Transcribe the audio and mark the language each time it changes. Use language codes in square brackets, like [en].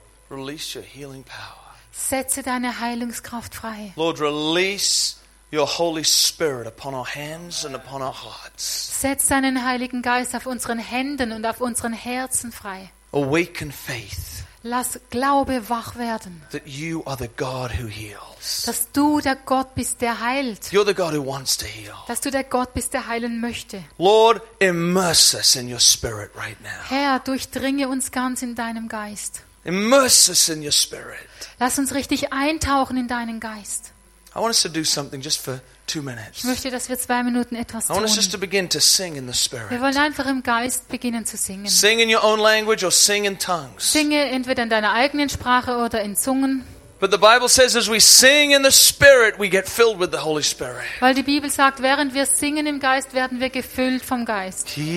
[en] Release your healing power. [de] Setze deine Heilungskraft frei. [en] Lord, release your Holy Spirit upon our hands and upon our hearts. [de] Setz deinen Heiligen Geist auf unseren Händen und auf unseren Herzen frei. [en] Awaken faith. [de] Lass Glaube wach werden. [en] That you are the God who heals. [de] Dass du der Gott bist, der heilt. [en] You're the God who wants to heal. [de] Dass du der Gott bist, der heilen möchte. [en] Lord, immerse us in your spirit right now. [de] Herr, durchdringe uns ganz in deinem Geist. [en] Immerse us in your spirit. [de] Lass uns richtig eintauchen in deinen Geist. [en] I want us to do something just for 2 minutes. [de] Ich möchte, dass wir 2 Minuten etwas tun. [en] I want us just to begin to sing in the spirit. [de] Wir wollen einfach im Geist beginnen zu singen. [en] Sing in your own language or sing in tongues. [de] Singe entweder in deiner eigenen Sprache oder in Zungen. [en] But the Bible says, as we sing in the spirit, we get filled with the Holy Spirit. [de] Weil die Bibel sagt, während wir singen im Geist, werden wir gefüllt vom Geist.